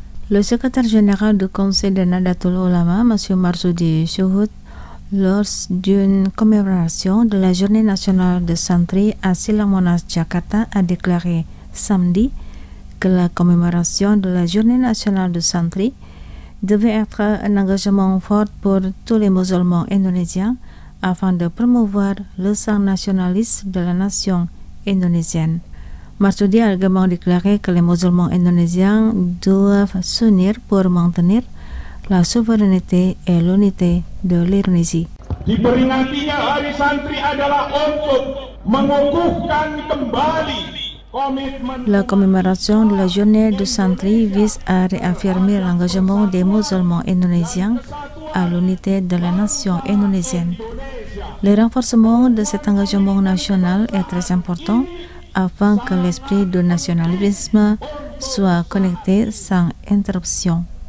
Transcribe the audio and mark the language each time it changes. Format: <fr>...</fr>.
<fr>Le secrétaire général du Conseil de Nahdlatul Ulama, M. Marsudi Syuhud, lors d'une commémoration de la Journée nationale de Santri à Silang Monas, Jakarta, a déclaré samedi que la commémoration de la Journée nationale de Santri devait être un engagement fort pour tous les musulmans indonésiens afin de promouvoir le sang nationaliste de la nation indonésienne. Marsudi a également déclaré que les musulmans indonésiens doivent s'unir pour maintenir la souveraineté et l'unité de l'Indonésie.</fr> <id>Diperingatinya Hari Santri adalah untuk mengukuhkan kembali komitmen.</id> <fr>La commémoration de la Journée du Santri vise à réaffirmer l'engagement des musulmans indonésiens à l'unité de la nation indonésienne. Le renforcement de cet engagement national est très important afin que l'esprit du nationalisme soit connecté sans interruption.</fr>